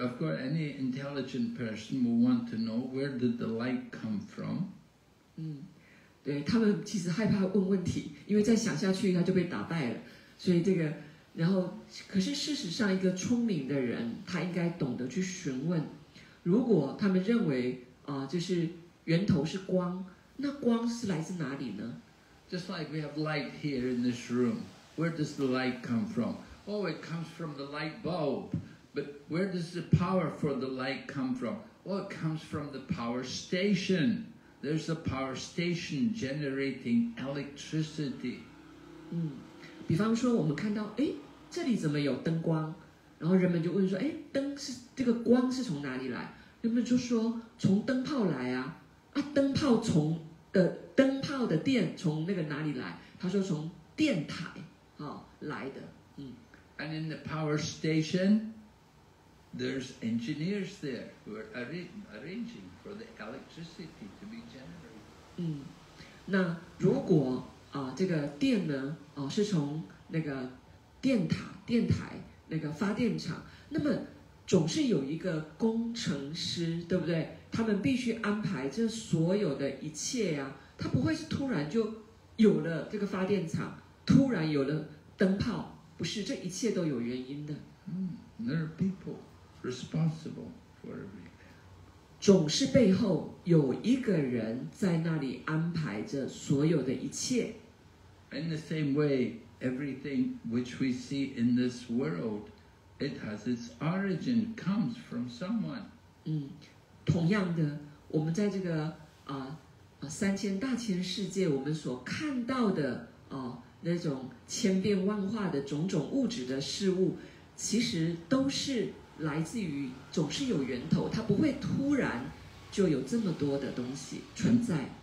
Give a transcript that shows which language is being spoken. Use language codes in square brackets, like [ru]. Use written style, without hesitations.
[en] Of course, any intelligent person will want to know where did the light come from. [zh] 对他们其实害怕问问题，因为再想下去他就被打败了。所以这个，然后可是事实上，一个聪明的人，他应该懂得去询问。如果他们认为就是源头是光，那光是来自哪里呢 [en] ？Just like we have light here in this room, where does the light come from? Oh, it comes from the light bulb. But where does the power for the light come from? Oh, it comes from the power station. There's a power station generating electricity. [zh] 比方说我们看到，哎，这里怎么有灯光？然后人们就问说，哎，灯是这个光是从哪里来？人们就说从灯泡来啊，啊，灯泡从灯泡的电从那个哪里来？他说从电台来的。 [en] And in the power station, there's engineers there who are arranging for the electricity to be generated. [zh] 那如果这个电呢是从那个电台。那个发电厂，那么总是有一个工程师，对不对？他们必须安排这所有的一切呀、啊。他不会是突然就有了这个发电厂，突然有了灯泡，不是，这一切都有原因的。 [en] There are people responsible for everything. [zh] 总是背后有一个人在那里安排着所有的一切。 [en] In the same way, everything which we see in this world, it has its origin, comes from someone. [zh] 同样的，我们在这个三千大千世界，我们所看到的那种千变万化的种种物质的事物，其实都是来自于，总是有源头，它不会突然就有这么多的东西存在。